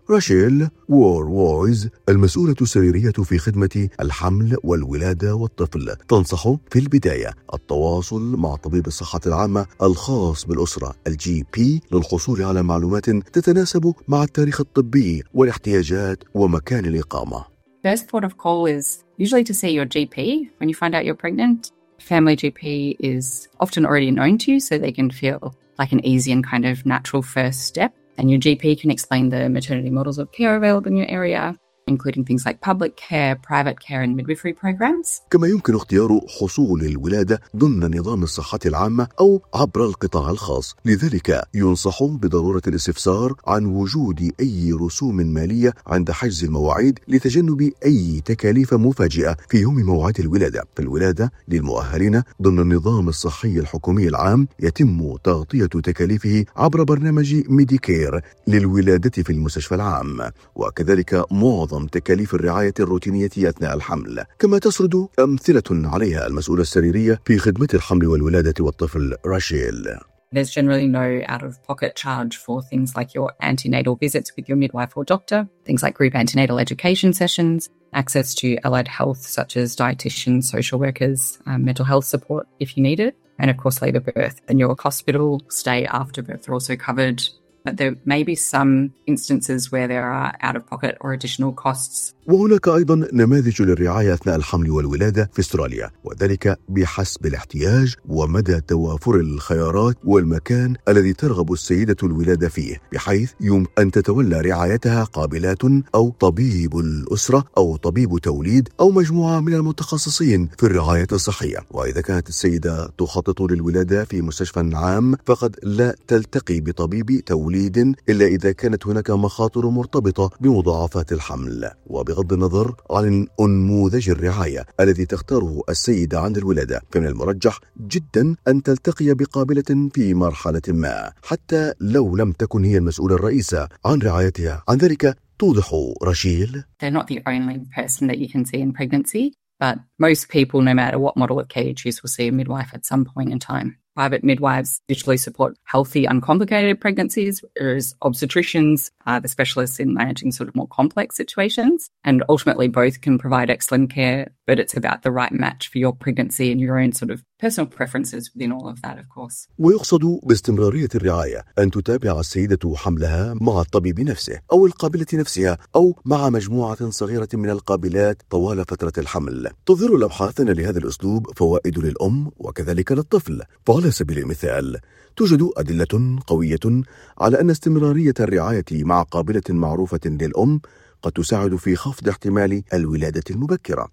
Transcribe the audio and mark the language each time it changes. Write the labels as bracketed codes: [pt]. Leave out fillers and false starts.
[ar] راشيل وورويز المسؤولة السريرية في خدمة الحمل والولادة والطفل تنصح في البداية التواصل مع طبيب الصحة العامة الخاص بالأسرة الجي بي للحصول على معلومات تتناسب مع التاريخ الطبي والاحتياجات ومكان الإقامة. [en] First port of call is usually to see your GP when you find out you're pregnant. Family GP is often already known to you, so they can feel like an easy and kind of natural first step. And your GP can explain the maternity models of care available in your area, including things like public care, private care, and midwifery programs. [ar] كما يمكن اختيار حصول الولادة ضمن نظام الصحة العامة أو عبر القطاع الخاص، لذلك ينصح بضرورة الاستفسار عن وجود أي رسوم مالية عند حجز المواعيد لتجنب أي تكاليف مفاجئة في يوم موعد الولادة. فالولادة للمؤهلين ضمن النظام الصحي الحكومي العام يتم تغطية تكاليفه عبر برنامج ميديكير للولادة في المستشفى العام، وكذلك معظم تكاليف الرعاية الروتينية أثناء الحمل، كما تسرد أمثلة عليها المسؤولة السريرية في خدمة الحمل والولادة والطفل راشيل. [en] There's generally no out-of-pocket charge for things like your antenatal visits with your midwife or doctor, things like group antenatal education sessions, access to allied health such as dietitians, social workers, mental health support if you need it, and of course labor birth. And your hospital stay after birth are also covered. but there may be some instances where there are out-of-pocket or additional costs. [ar] وهناك أيضا نماذج للرعاية أثناء الحمل والولادة في أستراليا، وذلك بحسب الاحتياج ومدى توافر الخيارات والمكان الذي ترغب السيدة الولادة فيه، بحيث يمكن أن تتولى رعايتها قابلات أو طبيب الأسرة أو طبيب توليد أو مجموعة من المتخصصين في الرعاية الصحية. وإذا كانت السيدة تخطط للولادة في مستشفى عام، فقد لا تلتقي بطبيب توليد إلا إذا كانت هناك مخاطر مرتبطة بمضاعفات الحمل. بغض النظر عن أنموذج الرعاية الذي تختاره السيدة عند الولادة، فمن المرجح جدا أن تلتقي بقابلة في مرحلة ما حتى لو لم تكن هي المسؤولة الرئيسة عن رعايتها. عن ذلك توضح رشيل: [en] They're not the only person that you can see in pregnancy, but most people, no matter what model of care you choose, will see a midwife at some point in time. Private midwives usually support healthy, uncomplicated pregnancies, whereas obstetricians are the specialists in managing sort of more complex situations. And ultimately, both can provide excellent care, but it's about the right match for your pregnancy and your own sort of personal preferences within all of that, of course. [ar] ويقصد باستمرارية الرعاية أن تتابع السيدة حملها مع الطبيب نفسه أو القابلة نفسها أو مع مجموعة صغيرة من القابلات طوال فترة الحمل. تظهر الأبحاث أن لهذا الأسلوب فوائد للأم وكذلك للطفل. فعلى سبيل المثال، توجد أدلة قوية على أن استمرارية الرعاية مع قابلة معروفة للأم قد تساعد في خفض احتمال الولادة المبكرة.